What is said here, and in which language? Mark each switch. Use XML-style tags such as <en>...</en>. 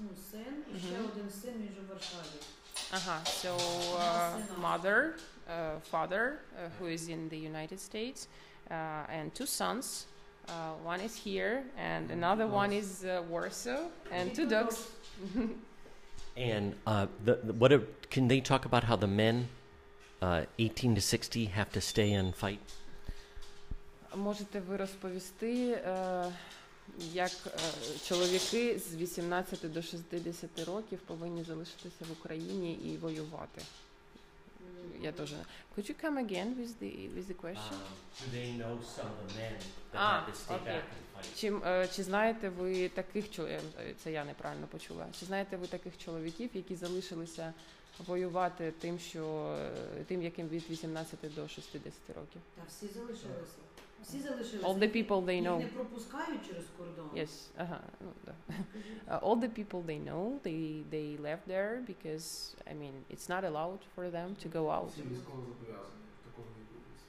<uk>Син, і ще один син між у Варшаві.</uk> <en>Ага, so mother, father, who is in the United States, and two sons, one is here, and another one is Warsaw, and two dogs. And can they talk about how the men, 18 to 60, have to stay and fight?</en> <uk>Можете ви розповісти, як чоловіки з 18 до 60 років повинні залишитися в Україні і воювати?</uk> <ru>Я тоже.</ru> <en>Could you come again with the question? Do they know some of the men that have to stay back and fight?</en> <uk>Чи знаєте ви таких чоловіків, це я неправильно почула. Чи знаєте ви таких чоловіків, які залишилися воювати тим, яким від 18 до 60 років? Та всі залишилися. Всі залишилися.</uk> <en>All the people they know.</en> <uk>Не пропускають через кордон. Yes. Ага. Ну, да.</uk> <en>All the people they know, they left there because, I mean, it's not allowed for them to go out.</en> <uk>Всі військові зобов'язані в такому віку.</uk>